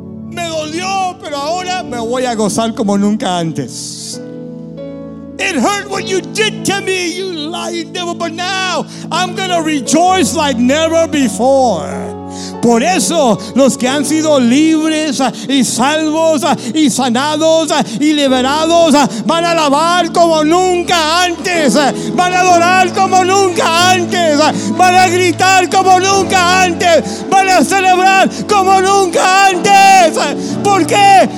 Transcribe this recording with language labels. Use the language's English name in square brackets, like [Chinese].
[Spanish] Me dolió, pero ahora me voy a gozar como nunca antes. [English] It hurt what you did to me, you lying devil, but now I'm going to rejoice like never before. [Spanish] Por eso los que han sido libres y salvos y sanados y liberados van a alabar como nunca antes, van a adorar como nunca antes, van a gritar como nunca antes, van a celebrar como nunca antes. ¿Por qué?